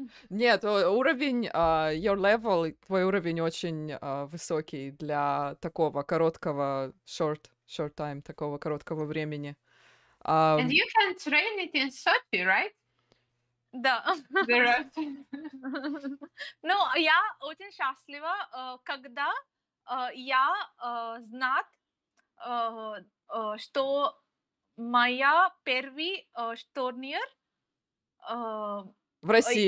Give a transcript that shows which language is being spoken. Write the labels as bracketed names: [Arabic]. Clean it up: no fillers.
[Russian] Нет, уровень, [English] your level, [Russian] твой уровень очень высокий для такого короткого [English] short time, [Russian] такого короткого времени. [English] And you can train it in Sochi, right? [Russian] Да. Ну, я очень счастлива, когда я знать, что моя первый турнир в России.